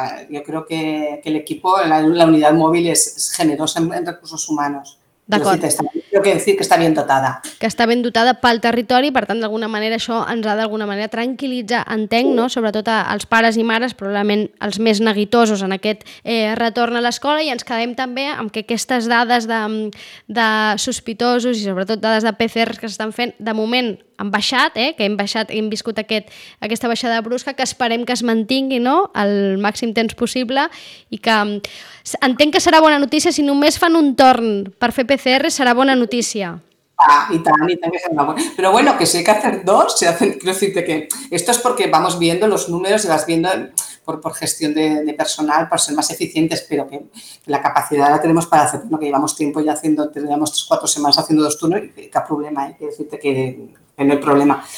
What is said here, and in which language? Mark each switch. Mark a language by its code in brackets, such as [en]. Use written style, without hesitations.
[es] Yo creo que el equipo, la unidad móvil es generosa en recursos humanos. [ca] D'acord. Jo vull dir que està ben dotada. Que està ben dotada pel territori, per tant, d'alguna manera això ens ha d'alguna manera tranquil·litzar, entenc, no? Sobretot als pares i mares, probablement els més neguitosos en aquest retorn a l'escola, i ens quedem també amb que aquestes dades de sospitosos i sobretot dades de PCR que s'estan fent, de moment han baixat, que hem viscut aquesta baixada brusca, que esperem que es mantingui, no?, el màxim temps possible, i que entenc que serà bona notícia, si només fan un torn per fer PCR, serà bona notícia. [es] Ah, y también es una buena. Pero bueno, que si hay que hacer dos, se hacen, quiero decirte que esto es porque vamos viendo los números y vas viendo por gestión de personal, para ser más eficientes, pero que la capacidad la tenemos para hacer, ¿no? Que llevamos tiempo ya haciendo, tenemos 3 o 4 semanas haciendo dos turnos, y qué problema, quiero decirte que no hay problema.